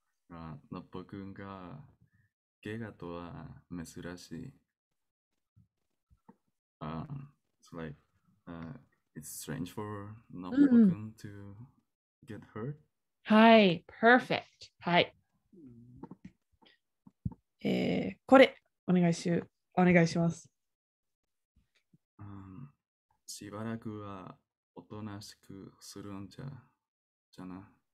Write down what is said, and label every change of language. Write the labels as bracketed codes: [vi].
[ja] あ、のっぽくんがゲガとは珍しい。 [en] It's like, it's strange for のっぽくん to get hurt. [ja] はい、 [en] perfect. [ja] はい。これお願いし、お願いします。しばらくは。おとなしくするんじゃ、じゃな。